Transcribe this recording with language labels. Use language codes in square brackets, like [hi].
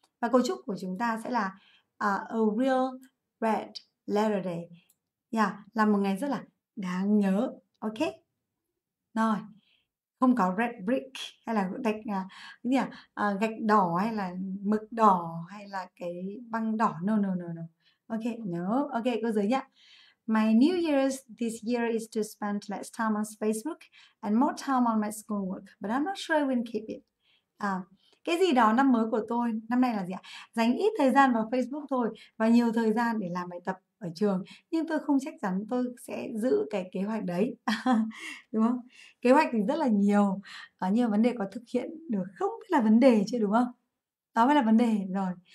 [vi] Và cấu trúc của chúng ta sẽ là [en] a real red letter day. [vi] Yeah, là một ngày rất là đáng nhớ. Ok. Rồi. Không có [en] red brick [vi] hay là gạch gạch đỏ hay là mực đỏ hay là cái băng đỏ. [en] No no no no. Ok, no. Ok, [vi] cô giới nhá. [en] My new year's this year is to spend less time on Facebook and more time on my schoolwork, but I'm not sure I will keep it. [vi] Cái gì đó năm mới của tôi năm nay là gì ạ? Dành ít thời gian vào Facebook thôi và nhiều thời gian để làm bài tập ở trường, nhưng tôi không chắc chắn tôi sẽ giữ cái kế hoạch đấy. Đúng không? Kế hoạch thì rất là nhiều, nhiều vấn đề có thực hiện được không là vấn đề chứ, đúng không? Đó mới là vấn đề rồi.